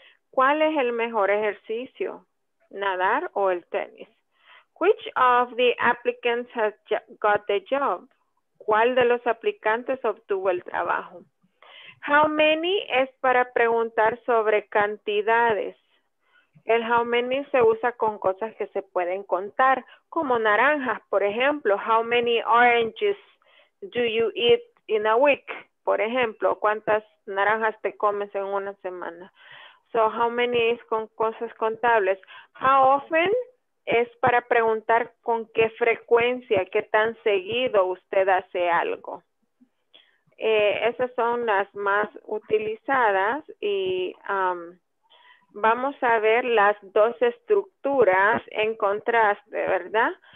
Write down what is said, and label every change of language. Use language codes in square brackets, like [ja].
[es] ¿Cuál es el mejor ejercicio, nadar o el tenis? [en] Which of the applicants has got the job? [es] ¿Cuál de los aplicantes obtuvo el trabajo? How many es para preguntar sobre cantidades. El how many se usa con cosas que se pueden contar, como naranjas, por ejemplo. [en] How many oranges do you eat in a week? [es] Por ejemplo, ¿cuántas naranjas te comes en una semana? So, how many es con cosas contables. How often es para preguntar con qué frecuencia, qué tan seguido usted hace algo. Esas son las más utilizadas y vamos a ver las dos estructuras en contraste, ¿verdad?